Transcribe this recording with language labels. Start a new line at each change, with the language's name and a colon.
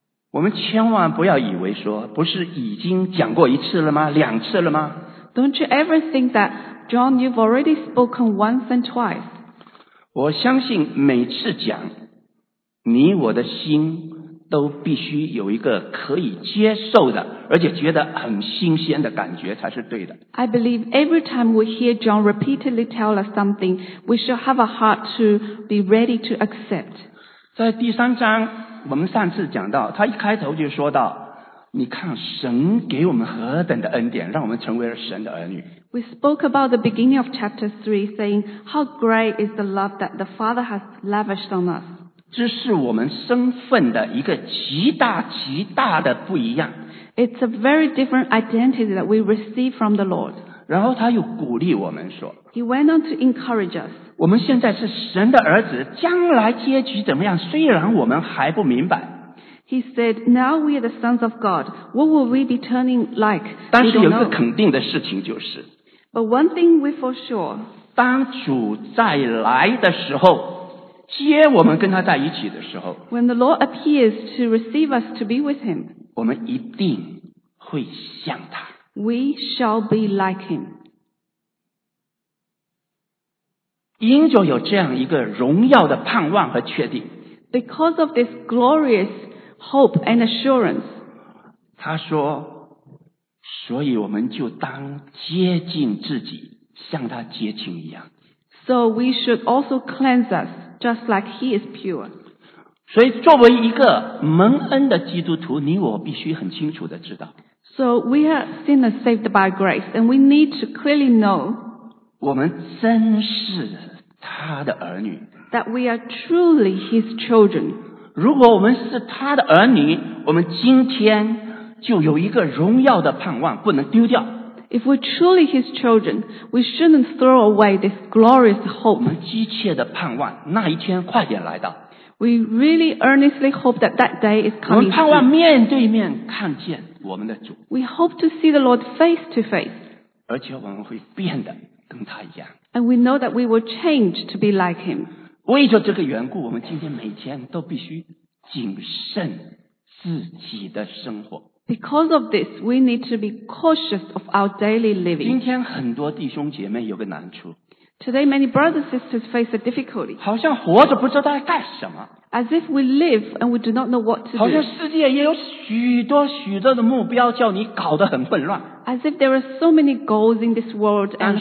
Chinese: 我们千万不要以为说，不是已经讲过一次了吗？两次了吗？
English: Don't you ever think that, John, you've already spoken once and twice?
Chinese: 我相信每次讲，你我的心都必须有一个可以接受的而且觉得很新鲜的感觉才是对的。
English: I believe every time we hear John repeatedly tell us something, we shall have a heart to be ready to accept.
Chinese: 在第三章我们上次讲到他一开头就说到你看神给我们何等的恩典让我们成为神的儿女。
English: We spoke about the beginning of chapter 3 saying, how great is the love that the Father has lavished on us.
Chinese: 这是我们身份的一个极大极大的不一样。
English: It's a very different identity that we receive from the Lord.
Chinese: 然后他又鼓励我们说
English: He went on to encourage us.
Chinese: 我们现在是神的儿子将来结局怎么样虽然我们还不明白。
English: He said, now we are the sons of God. What will we be turning like?
Chinese: 但是有一个肯定的事情就是
English: But one thing we for sure.
Chinese: 当主再来的时候接我们跟他在一起的时候
English: When the Lord appears to receive us to be with him
Chinese: 我们一定会像他
English: We shall be like him
Chinese: 因着有这样一个荣耀的盼望和确定
English: Because of this glorious hope and assurance
Chinese: 他说所以我们就当接近自己像他接近一样
English: So we should also cleanse us Just like he is pure.
Chinese: 所以作为一个蒙恩的基督徒你我必须很清楚地知道
English: So we are sinners saved by grace and we need to clearly know
Chinese: 我们真是他的儿女
English: That we are truly his children.
Chinese: 如果我们是他的儿女我们今天就有一个荣耀的盼望不能丢掉
English: If we're truly his children, we shouldn't throw away this glorious hope.
Chinese: 我们急切的盼望那一天快点来到。
English: We really earnestly hope that that day is coming.
Chinese: 我们盼望面对面看见我们的主。
English: We hope to see the Lord face to face.
Chinese: 而且我们会变得跟他一样。
English: And we know that we will change to be like him.
Chinese: 为着这个缘故我们今天每天都必须谨慎自己的生活。
English: Because of this, we need to be cautious of our daily living.
Chinese: 今天很多弟兄姐妹有个难处。
English: Today, many brothers and sisters face a difficulty.
Chinese: 好像活着不知道在干什么。
English: As if we live and we do not know what to do.
Chinese: 好像世界也有许多许多的目标叫你搞得很混乱。
English: As if there are so many goals in this world and confusion.